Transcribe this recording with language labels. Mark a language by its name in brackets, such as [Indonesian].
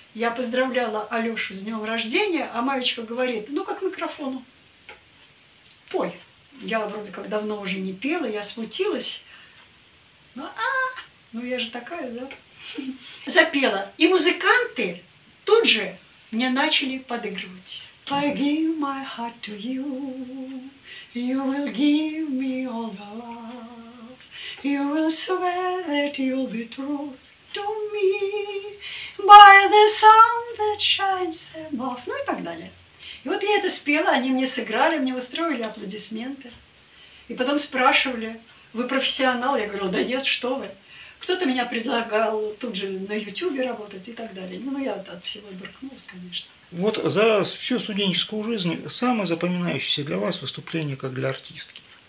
[Russian] Я поздравляла Алёшу с днем рождения, а Маечка говорит, ну-ка к микрофону, пой. Я вроде как давно уже не пела, я смутилась. Ну я же такая, да? Запела. И музыканты тут же мне начали подыгрывать. [English] I give my heart to you, you will give me all the love. You will swear that you'll be truth to me. by the sun that shines above, [Russian] ну и так далее. И вот я это спела, они мне сыграли, мне устроили аплодисменты. И потом спрашивали, вы профессионал? Я говорила, да нет, что вы. Кто-то меня предлагал тут же на Ютубе работать и так далее. Ну, я от всего отбрыкнулась, конечно. Вот за всю студенческую жизнь самое запоминающееся для вас выступление как для артистки?